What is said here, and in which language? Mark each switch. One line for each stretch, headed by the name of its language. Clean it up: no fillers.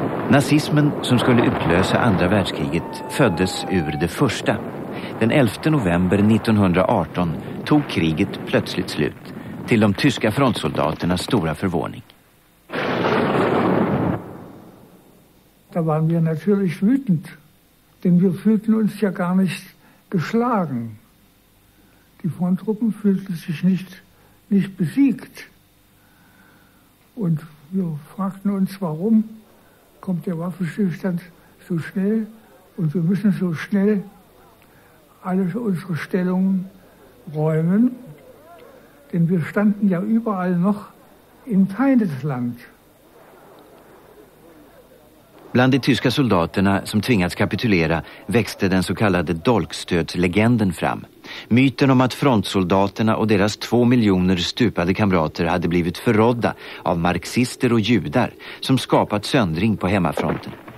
Swedish: Nazismen som skulle utlösa andra världskriget föddes ur det första. Den 11 november 1918 tog kriget plötsligt slut, till de tyska frontsoldaternas stora förvåning.
German: Da waren wir natürlich wütend, denn wir fühlten uns ja gar nicht geschlagen. Die Fronttruppen fühlten sich nicht besiegt. Und wir fragten uns, warum kommt der Waffenstillstand so schnell und wir müssen so schnell alle unsere Stellungen räumen, denn wir standen ja überall noch im Feindesland.
Swedish: Bland de tyska soldaterna som tvingats kapitulera växte den så kallade dolkstödslegenden fram. Myten om att frontsoldaterna och deras 2 miljoner stupade kamrater hade blivit förrådda av marxister och judar som skapat söndring på hemmafronten.